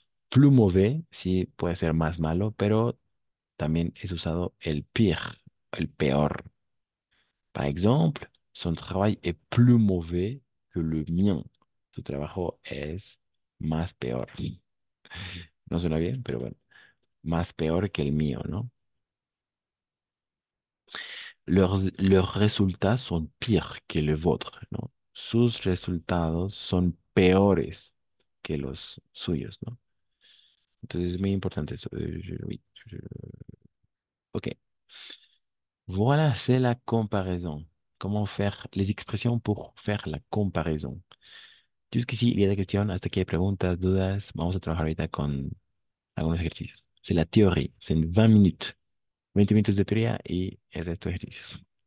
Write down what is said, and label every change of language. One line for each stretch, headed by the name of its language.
Spanish: Plus mauvais, sí, puede ser más malo, pero también es usado el pire, el peor.
French: Par exemple, son travail est plus mauvais que le mien.
Spanish: Su trabajo es más peor. No suena bien, pero bueno. Más peor que el mío, ¿no? Los resultados son peores que el vuestro, ¿no? Sus resultados son peores que los suyos, ¿no? Entonces es muy importante eso. Ok.
French: Voilà, c'est la comparaison. Comment faire les expressions pour faire la comparaison. Jusqu'ici, il y a la question,
Spanish: hasta aquí hay preguntas, dudas. Vamos a trabajar ahorita con algunos ejercicios.
French: C'est la théorie. C'est 20 minutes.
Spanish: 20 minutos de teoría y el resto de ejercicios.